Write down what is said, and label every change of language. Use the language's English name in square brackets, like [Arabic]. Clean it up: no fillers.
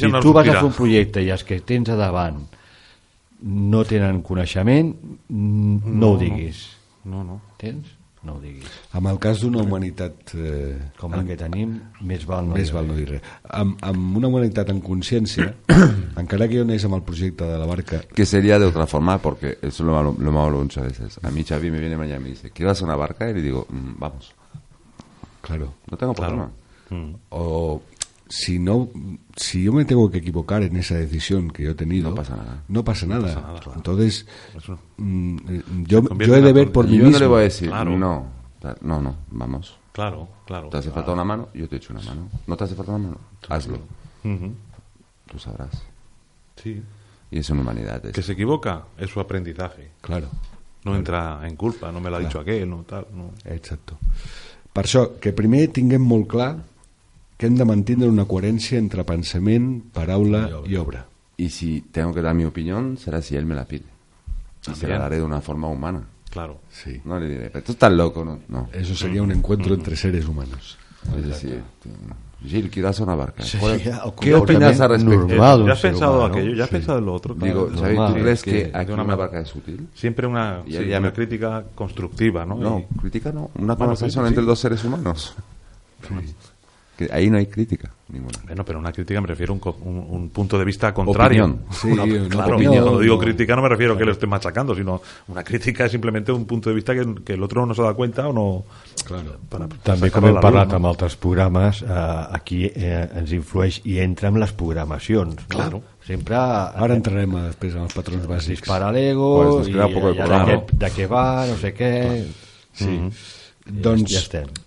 [Catalan] si tu vas a fer un projecte i els que tens a davant no tenen coneixement, no ho diguis. No. Tens? No ho diguis. En el cas d'una humanitat... com la que tenim, més val no dir res. Amb una humanitat en consciència, encara que jo anés amb el projecte de la barca... Que seria d'altra forma, perquè és [Spanish] lo malo muchas veces. A mi Xavi me viene mañana y me dice, ¿quieres una barca? Y le digo, vamos. Claro. No tengo problema. Claro. O si no, si yo me tengo que equivocar en esa decisión que yo he tenido, no pasa nada. Claro. Entonces, yo he de ver por mí mismo. Yo no le voy a decir, claro. No, vamos. Claro. ¿Te hace falta una mano? Yo te echo una mano. ¿No te hace falta una mano? Hazlo. Tú sabrás. Sí. Y es una humanidad. Que se equivoca es su aprendizaje. Claro. No entra en culpa, no me lo ha dicho aquel, no tal. No. Exacto. [Catalan] Per això, que primer tinguem molt clar que hem de mantenir una coherència entre pensament, paraula i obra. [Spanish] I si tengo que dar mi opinión, será si él me la pide. Y se la daré de una forma humana. Claro. Sí. No le diré, pero tú estás loco, ¿no? No. Eso sería un encuentro entre seres humanos. Es decir, Gil, quieras una barca. Sí, ¿qué opinas al respecto? Normal, ya has pensado aquello, ya has pensado en lo otro. Digo, ¿sabes? ¿Tú crees que aquí una barca es útil? Siempre una, una crítica constructiva, ¿no? No, crítica no. Una conversación entre dos seres humanos. Que ahí no hay crítica ninguna. Bueno, pero una crítica me refiero a un punto de vista contrario. Opinión. Sí, claro, opinión. Cuando digo crítica no me refiero a que lo esté machacando, sino una crítica es simplemente un punto de vista que el otro no se da cuenta o no... Claro. [Catalan] També com hem parlat amb altres programes, aquí ens influeix i entra en les programacions. [Spanish] Claro. [Catalan] No? Sempre... Ara entrarem després en els patrons bàsics. Dispara l'ego, [Spanish] pues, [Catalan] de què va, no sé què... Clar. Sí. Doncs, ja estem.